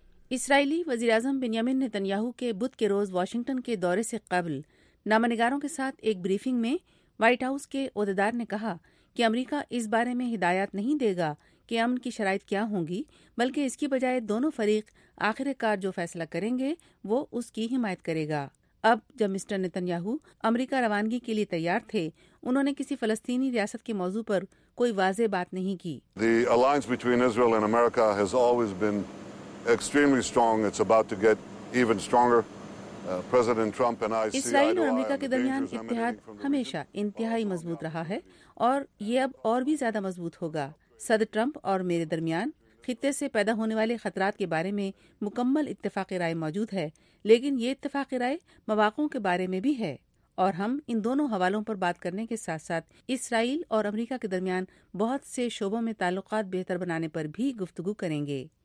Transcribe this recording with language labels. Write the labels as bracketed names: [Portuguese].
[Urdu] اسرائیلی وزیر اعظم بنیامین نتنیاہو کے بدھ کے روز واشنگٹن کے دورے سے قبل نامہ نگاروں کے ساتھ ایک بریفنگ میں وائٹ ہاؤس کے عہدیدار نے کہا کہ امریکہ اس بارے میں ہدایات نہیں دے گا کہ امن کی شرائط کیا ہوں گی, بلکہ اس کی بجائے دونوں فریق آخر کار جو فیصلہ کریں گے وہ اس کی حمایت کرے گا. اب جب مسٹر نتنیاہو امریکہ روانگی کے لیے تیار تھے, انہوں نے کسی فلسطینی ریاست کے موضوع پر کوئی واضح بات نہیں کی. [English] The alliance between Israel and America has always been extremely strong. It's about to get even stronger. President Trump and I see [Urdu] اسرائیل اور امریکہ کے درمیان اتحاد ہمیشہ انتہائی مضبوط رہا ہے اور یہ اب اور بھی زیادہ مضبوط ہوگا. صدر ٹرمپ اور میرے درمیان خطے سے پیدا ہونے والے خطرات کے بارے میں مکمل اتفاق رائے موجود ہے, لیکن یہ اتفاق رائے مواقعوں کے بارے میں بھی ہے, اور ہم ان دونوں حوالوں پر بات کرنے کے ساتھ ساتھ اسرائیل اور امریکہ کے درمیان بہت سے شعبوں میں تعلقات بہتر بنانے پر بھی گفتگو کریں گے.